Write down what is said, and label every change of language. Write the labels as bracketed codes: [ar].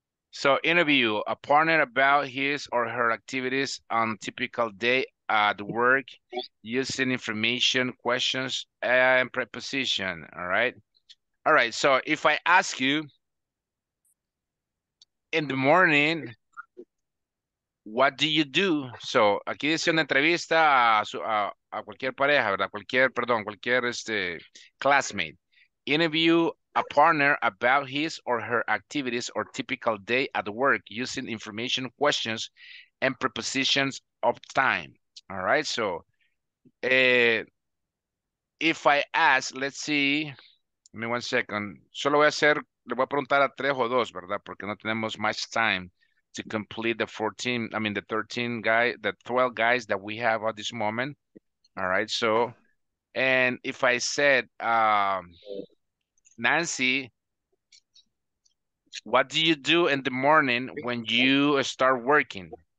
[en] So interview a partner about his or her activities on a typical day at work using information, questions, and preposition. All right. So if I ask you in the morning, what do you do? [es] So aquí dice una entrevista a cualquier pareja, ¿verdad? Cualquier [en] classmate. Interview a partner about his or her activities or typical day at work using information, questions, and prepositions of time. All right, so if I ask, let's see, give me one second. [es] Solo voy a hacer, le voy a preguntar a tres o dos, ¿verdad? Porque no tenemos [en] much time to complete the 14, I mean the 13 guy, the 12 guys that we have at this moment. All right, so, and if I said, Nancy, what do you do in the morning when you start working?